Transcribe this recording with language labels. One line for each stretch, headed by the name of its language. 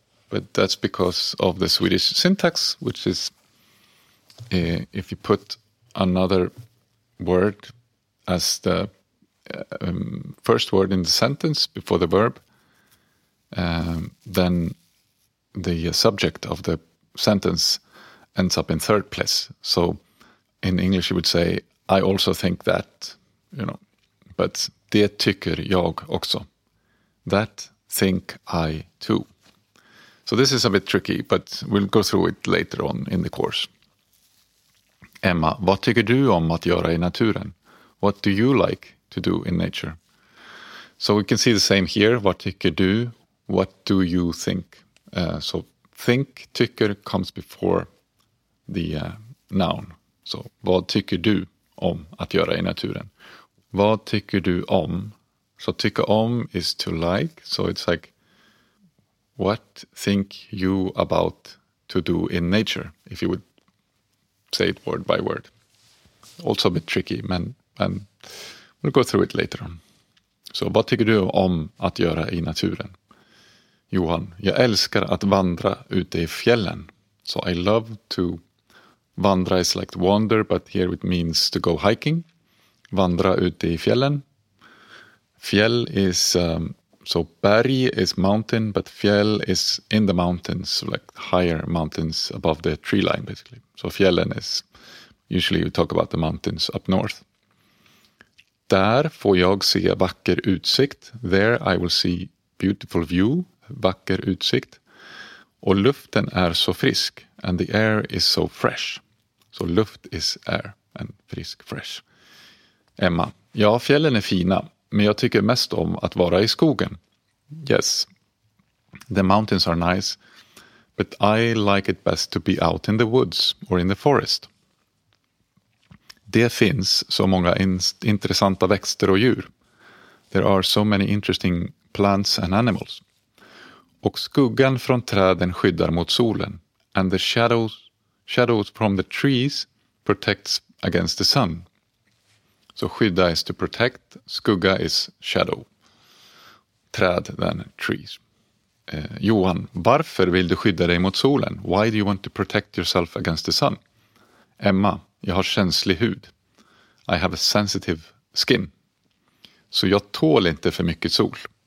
English: But that's because of the Swedish syntax, which is, if you put another word as the first word in the sentence before the verb, then the subject of the sentence ends up in third place. So in English you would say, I also think that, you know, but
Swedish: det tycker jag också.
English: That think I too. So this is a bit tricky, but we'll go through it later on in the course.
Swedish: Emma, vad tycker du om att göra i naturen?
English: What do you like to do in nature? So we can see the same here.
Swedish: Vad tycker du?
English: What do you think? So think, tycker, comes before the noun. So
Swedish: vad tycker du om att göra i naturen? Vad tycker du om? So tycker om
English: is to like. So it's like, what think you about to do in nature? If you would say it word by word. Also a bit tricky, man. And we'll go through it later on. So,
Swedish: vad tycker du om att göra i naturen? Johan, jag älskar att vandra ute i fjällen.
English: So, I love to... Vandra is like wander, but here it means to go hiking.
Swedish: Vandra ute i fjällen.
English: Fjäll is... berg is mountain, but fjäll is in the mountains, like higher mountains above the tree line, basically. So, fjällen is... Usually we talk about the mountains up north.
Swedish: Där får jag se vacker utsikt.
English: There I will see beautiful view,
Swedish: vacker utsikt. Och luften är så frisk.
English: and the air is so fresh. So luft is air and frisk, fresh.
Swedish: Emma, ja, fjällen är fina, men jag tycker mest om att vara i skogen.
English: Yes, the mountains are nice, but I like it best to be out in the woods or in the forest.
Swedish: Det finns så många intressanta växter och djur.
English: There are so many interesting plants and animals.
Swedish: Och skuggan från träden skyddar mot solen.
English: And the shadows from the trees protects against the sun. Så skydda is to protect, skugga is shadow. Träd, then trees.
Swedish: Johan, varför vill du skydda dig mot solen?
English: Why do you want to protect yourself against the sun?
Swedish: Emma, jag har känslig hud.
English: I have a sensitive skin.
Swedish: Så jag tål inte för mycket sol.